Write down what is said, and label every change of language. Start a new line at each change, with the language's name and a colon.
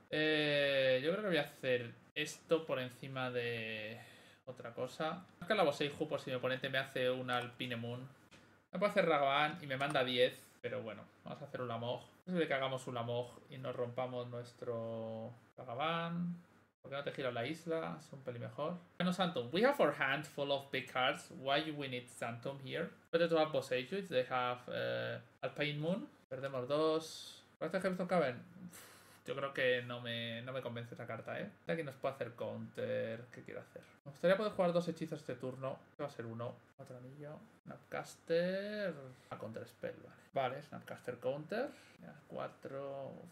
Spanish: Yo creo que voy a hacer esto por encima de otra cosa. Creo que la Boseiju, por si mi oponente me hace un Alpine Moon. Me puede hacer Ragavan y me manda 10. Pero bueno, vamos a hacer un Lamog. Es posible que hagamos un Lamog y nos rompamos nuestro Ragavan. ¿Por qué no te giras la isla? Es un peli mejor. Bueno, Sanctum.
English: We have our hand full of big cards. Why we need Sanctum here? Better to have Boseiju if they have Alpine Moon.
Spanish: Perdemos dos. ¿Cuál es el Hearthstone Cavern? Yo creo que no me convence esa carta, ¿eh? Aquí nos puede hacer counter. ¿Qué quiero hacer? Me gustaría poder jugar dos hechizos este turno. Este va a ser uno. Otro anillo. Snapcaster. A counter spell, vale. Vale, Snapcaster counter. Ya, cuatro.